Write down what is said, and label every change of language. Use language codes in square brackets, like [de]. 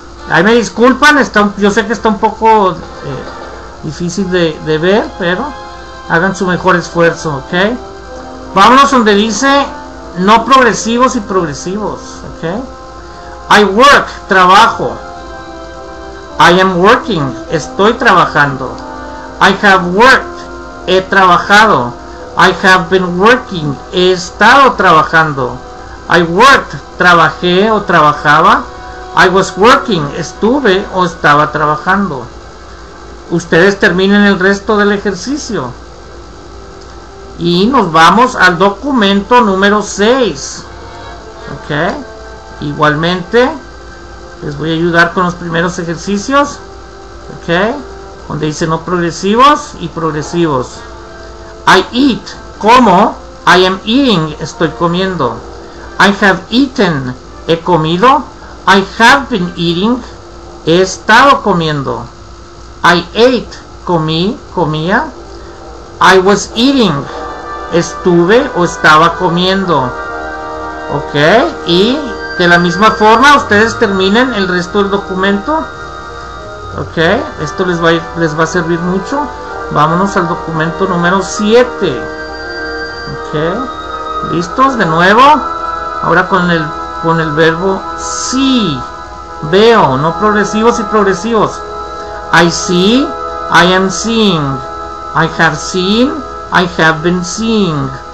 [es] Ahí me disculpan, yo sé que está un poco difícil de ver, pero hagan su mejor esfuerzo, ¿ok? Vámonos donde dice no progresivos y progresivos, ¿ok? [en] I work, [es] trabajo. [en] I am working, [es] estoy trabajando. [en] I have worked, [es] he trabajado. [en] I have been working, [es] he estado trabajando. [en] I worked, [es] trabajé o trabajaba. [en] I was working, [es] estuve o estaba trabajando. Ustedes terminen el resto del ejercicio. Y nos vamos al documento número 6. Ok. Igualmente, les voy a ayudar con los primeros ejercicios. Ok. Donde dice no progresivos y progresivos. [en] I eat, [es] como. [en] I am eating, [es] estoy comiendo. [en] I have eaten, [es] he comido. [en] I have been eating, [es] he estado comiendo. [en] I ate, [es] comí, comía. [en] I was eating, [es] estuve o estaba comiendo. Ok, y de la misma forma ustedes terminen el resto del documento. Ok, esto les va a servir mucho. Vámonos al documento número 7. Ok, listos de nuevo. Ahora con el verbo see, veo, no progresivos y progresivos. [en] I see, I am seeing. I have seen, I have been seeing.